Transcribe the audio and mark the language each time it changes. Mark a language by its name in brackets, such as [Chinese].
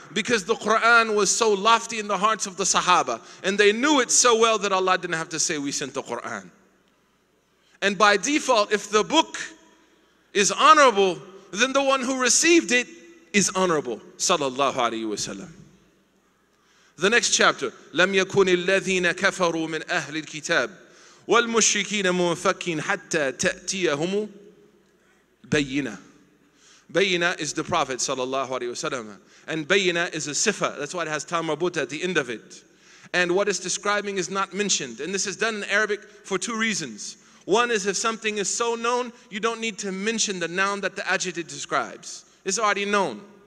[English] Because the Qur'an was so lofty in the hearts of the Sahaba. And they knew it so well that Allah didn't have to say, we sent the Qur'an. And by default, if the book is honorable, then the one who received it is honorable, sallallahu alayhi wa sallam. The next chapter, [Arabic] لَمْ يَكُنِ الَّذِينَ كَفَرُوا مِنْ أَهْلِ الْكِتَابِ وَالْمُشْرِكِينَ مُنْفَكِّينَ حَتَّى تَأْتِيَهُمُ بَيِّنَة. [English] Bayina is the Prophet, sallallahu alayhi wa sallam. And bayina is a sifa. That's why it has tamrabuta at the end of it. And what it's describing is not mentioned. And this is done in Arabic for two reasons. One is, if something is so known, you don't need to mention the noun that the adjective describes. It's already known.